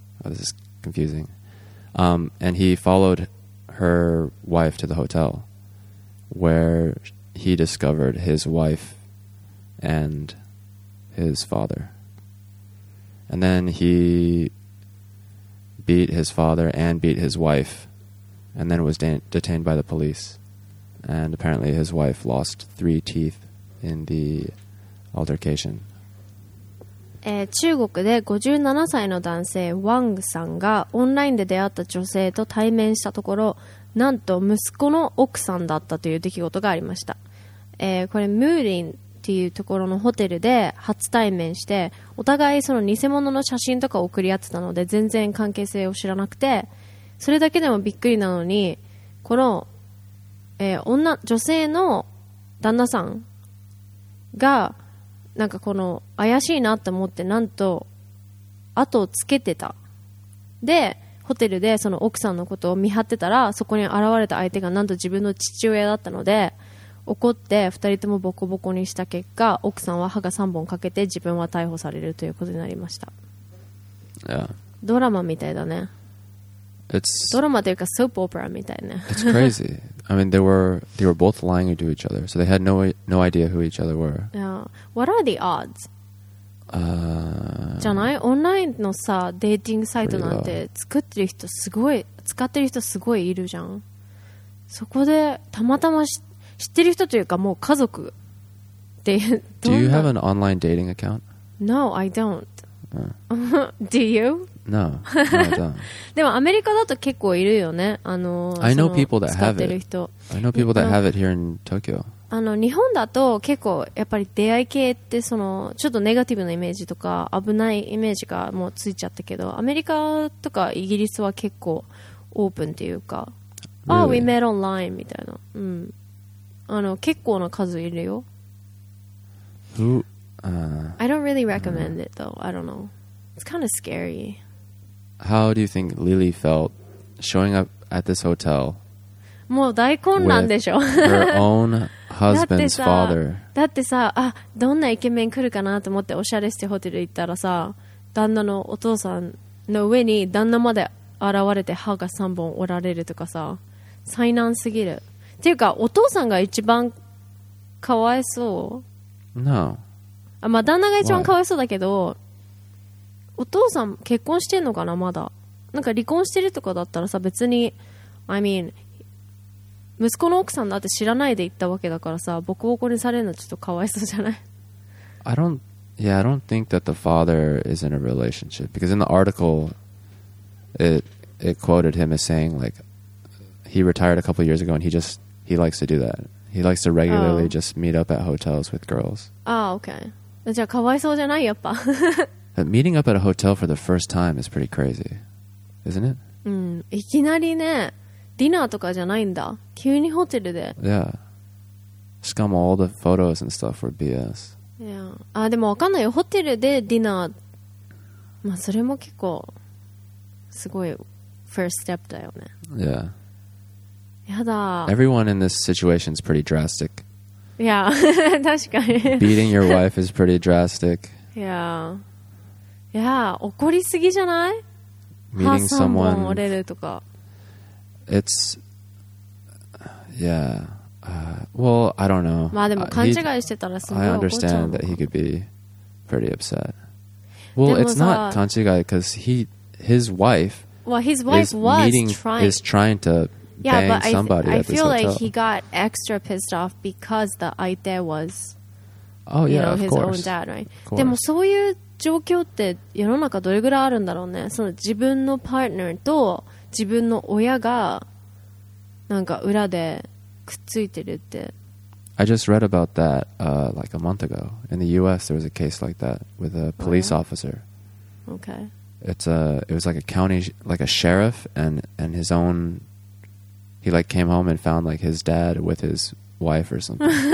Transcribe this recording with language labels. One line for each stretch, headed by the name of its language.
English: Oh, this is confusing. And he followed her wife to the hotel where he discovered his wife and his father. And then he beat his father and beat his wife and then was detained by the police. And apparently his wife lost 3 teeth in the altercation.
Japanese: 中国で57歳の男性ワングさんがオンラインで出会った女性と対面したところ、なんと息子の奥さんだったという出来事がありました。これムーリンっていうところのホテルで初対面して、お互いその偽物の写真とか送り合ってたので全然関係性を知らなくて、それだけでもびっくりなのに、この、女性の旦那さんがなんかこの怪しいなと思って、なんと後をつけてた。でホテルでその奥さんのことを見張ってたら、そこに現れた相手がなんと自分の父親だったので、怒って2人ともボコボコにした結果、奥さんは歯が3本かけて自分は逮捕されるということになりました。
English: Yeah.
Japanese: ドラマみたいだね。
English: It's
Japanese: ドラマというかソープオペラみたいね。
English: It's crazy. I mean, they were both lying to each other, so they had no idea who each other were. Yeah. What are the odds?
Japanese: じゃない？オンラインのさ、デーティングサイトなんて作ってる人すごい、使ってる人すごいいるじゃん。そこでたまたま知ってる人というかもう家族で。
English: Do you have an online dating account? No, I don't. Do you? No, no, I don't.
Japanese: でもアメリカだと結構いるよね。
English: I know people that have it. I know people that have it here in Tokyo.
Japanese: 日本だと結構やっぱり出会い系ってそのちょっとネガティブなイメージとか危ないイメージがもうついちゃったけど、アメリカとかイギリスは結構オープンっていうか、
English: Really? Oh, we met online
Japanese: みたいな。うん。結構な数いるよ。
English: Who? I don't really recommend it though. I don't know. It's kind of scary. How do you think Lily felt showing up at this hotel?
Japanese: もう大混乱でしょ。
English: Her own husband's father.
Japanese: だってさ、あ、どんなイケメン来るかなと思っておしゃれしてホテル行ったらさ、旦那のお父さんの上に旦那まで現れて歯が3本折られるとかさ、災難すぎる。っていうかお父さんが一番かわいそう。
English: No.
Japanese: あ、まあ旦那が一番かわいそうだけど、お父さん結婚してんのかな、まだ。なんか離婚してるとかだったらさ、別に
English: I mean
Japanese: 息子の奥さんだって知らないで行ったわけだからさ、ボコボコにされるのちょっとかわいそうじゃない。
English: I don't think that the father is in a relationship, because in the article it quoted him as saying like he retired a couple years ago and he likes to do that. He likes to regularly just meet up at hotels with girls. Ah, okay.
Japanese: じゃあかわいそうじゃないやっぱ。
English: But meeting up at a hotel for the first time is pretty crazy, isn't it?
Japanese: いきなりね、ディナーとかじゃないんだ。急にホテルで。
English: Yeah.
Japanese: しかも
English: all the photos and stuff were BS. Yeah.
Japanese: でもわかんないよ。ホテルでディナー。まあそれも結構すごい
English: first step
Japanese: だよね。
English: Yeah.
Japanese: やだ。
English: Everyone in this situation is pretty drastic. Yeah,
Japanese: 確かに。
English: Beating your wife is pretty drastic. Yeah. Yeah,
Japanese: 怒りすぎじゃない?
English: Meeting someone.
Japanese: 歯3本折れるとか。
English: It's, yeah. Well, I don't know.
Japanese: まあでも勘違いしてたらすごい怒っちゃう。
English: I understand that he could be pretty upset. Well, it's not
Japanese: 勘違い,
English: because his wife is trying to feel like he got extra pissed off because the
Japanese: 相手
English: was his own dad, right?
Japanese: でもそういう状況って世の中どれぐらいあるんだろうね。その自分のパートナーと自分の親がなんか裏でくっついてるって。
English: I just read about that like a month ago. In the US there was a case like that with a police officer. Okay. It was like a county, like a sheriff and his own... He like came home and found like his dad with his wife or something.